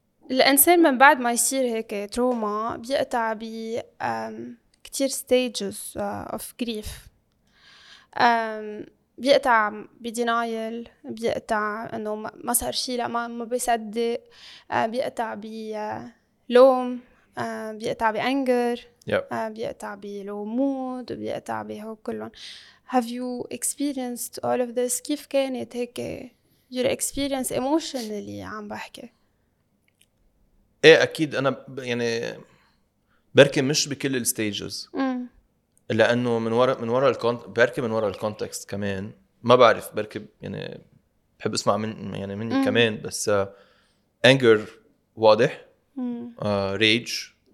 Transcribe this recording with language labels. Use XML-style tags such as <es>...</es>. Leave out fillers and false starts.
<ar>الانسان من بعد ما يصير هيك تروما بيقطع ب كتير</ar> <en>stages of grief</en> <ar>بيقطع بدينايل بيقطع انه ما صار شيء لا ما بيصدق بيقطع بلوم بيقطع بأنجر بيقطع بالمود بيقطع بهو كلهم.</ar> <en>Have you experienced all of this؟</en> <ar>كيف كانت هيك</ar> <en>your experience emotionally</en> <ar>عم بحكي؟ ايه اكيد انا يعني بركي مش بكل الستيجز لانه من ورا من ورا بركي من ورا الكونتكست كمان ما بعرف بركي يعني بحب اسمع من يعني مني كمان بس anger واضح rage</ar>